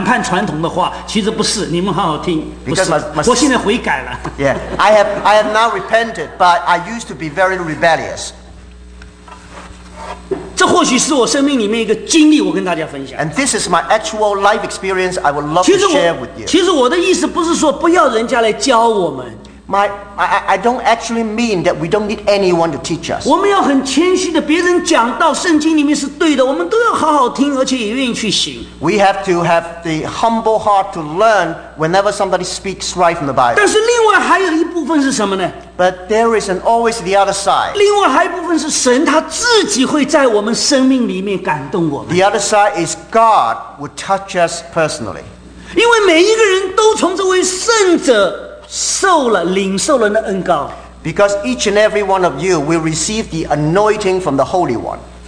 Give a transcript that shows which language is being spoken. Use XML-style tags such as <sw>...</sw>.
<zh>因为我姐姐在下面，我这个弟弟啊，从小就叛逆、悖逆，讲这些好像反叛传统的话，其实不是。你们好好听，不是。我现在悔改了。</zh> <en>Yeah, I have now repented, but I used to be very rebellious.</en> <zh>这或许是我生命里面一个经历，我跟大家分享。</zh> <en>And this is my actual life experience I would love to share with you.</en> <zh>其实我的意思不是说不要人家来教我们。</zh> <en>I don't actually mean that we don't need anyone to teach us.</en> <zh>我们要很谦虚的，别人讲到圣经里面是对的，我们都要好好听，而且也愿意去行。</zh> <en>We have to have the humble heart to learn whenever somebody speaks right from the Bible.</en> <zh>但是另外还有一部分是什么呢？</zh> <en>But there is always the other side.</en> <zh>另外还有一部分是神他自己会在我们生命里面感动我们。</zh> <en>The other side is God would touch us personally.</en> <zh>因为每一个人都从这位圣者 受了领受了那恩膏。</zh> <en>Because each and every one of you will receive the anointing from the Holy One.</en>